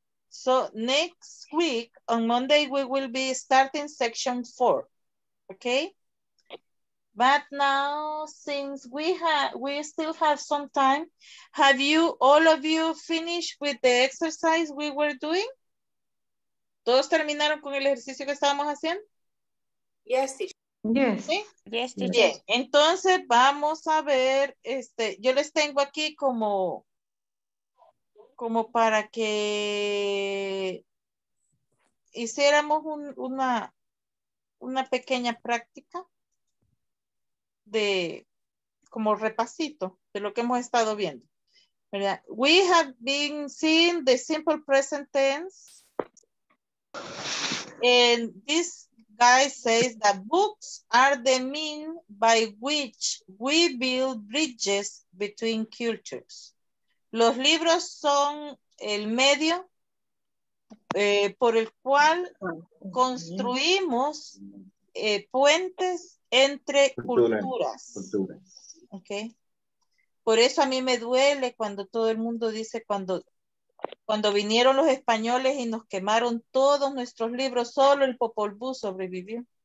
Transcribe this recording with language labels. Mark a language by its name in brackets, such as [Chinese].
[English] So next week on Monday we will be starting section 4. Okay? But now, since we still have some time, have you, all of you, finished with the exercise we were doing? [Spanish] ¿Todos terminaron con el ejercicio que estábamos haciendo? [English] Yes, teacher. Yes. ¿Sí? Yes, teacher. [Spanish] Entonces vamos a ver, este, yo les tengo aquí como, como para que hiciéramos un, una pequeña práctica de como repasito de lo que hemos estado viendo, ¿verdad? [English] We have been seeing the simple present tense. And this guy says that books are the means by which we build bridges between cultures. [Spanish] Los libros son el medio por el cual construimos puentes entre culturas. Okay. Por eso a mí me duele cuando todo el mundo dice cuando vinieron los españoles y nos quemaron todos nuestros libros, solo el Popol Vuh sobrevivió.